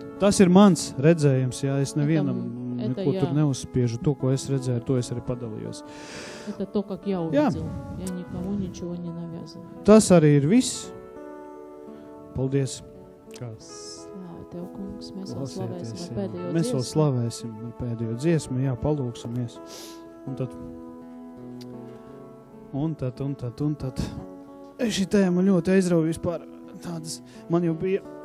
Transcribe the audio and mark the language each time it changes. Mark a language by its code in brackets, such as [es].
[lv] Tas ir mans redzējums, jā, es nevienam neko tur neuzspiežu. To, ko es redzēju, to es arī padalījos. [ru] Это то, как я увидел. Я никому ничего не навязываю. [lv] Tas arī ir viss. Paldies. Kā? Tev, kungs, mēs vēl slavēsim ar pēdējo dziesmu. Mēs vēl slavēsim ar pēdējo dziesmu, jā, palūksimies. Un tad. Šī tēma ļoti aizrauja vispār tādas. Man jau bija...